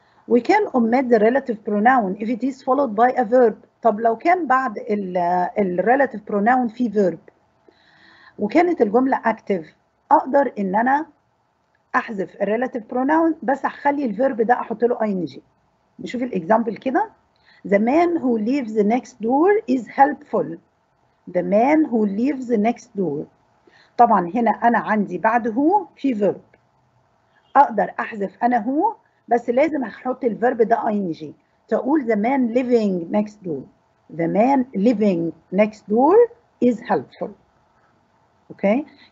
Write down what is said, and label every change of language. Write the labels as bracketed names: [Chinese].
[English] We can omit the relative pronoun if it is followed by a verb. [Arabic] طب لو كان بعد ال relative pronoun في verb وكانت الجملة active، أقدر إن أنا أحذف ال relative pronoun بس أخلي ال verb ده أحط له ing. نشوف ال example كده. [English] The man who leaves the next door is helpful. The man who leaves the next door. [Arabic] طبعا هنا انا عندي بعد هو في فيرب، اقدر احذف انا هو بس لازم احط الفيرب ده ing. تقول [English] the man living next door. The man living next door is helpful. Okay okay.